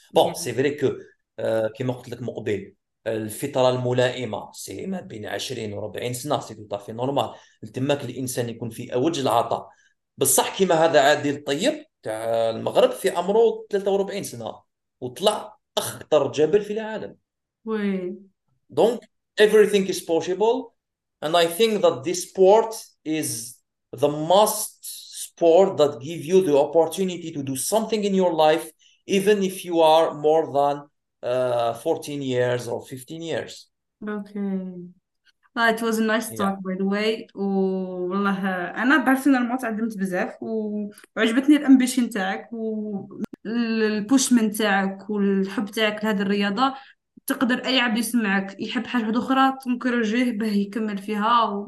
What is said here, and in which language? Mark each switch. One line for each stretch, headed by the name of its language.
French: بون سي فري كو
Arabic: كيما قلت لك مقبل، الفطره الملائمه سي ما بين 20 و40 سنه،
French: سي تو في نورمال
Arabic: تماك الانسان يكون في اوج العطاء. بصح كيما هذا عادل الطيب تاع المغرب في عمره 43 سنه وطلع اخطر جبل في العالم.
English: دونك everything is possible and I think that this sport is the must sport that give you the opportunity to do something in your life even if you are more than 14 years or 15 years. Okay. Well, it was a nice Yeah. talk, by the way.
Arabic: والله أنا بعرف إن الموضوع تعلمت بزاف، وعجبتني الأمبيشن تاعك والبوشمنت تاعك والحب تاعك لهذه الرياضة. تقدر أي عبد يسمعك يحب حاجة أخرى تنكروجيه به يكمل فيها.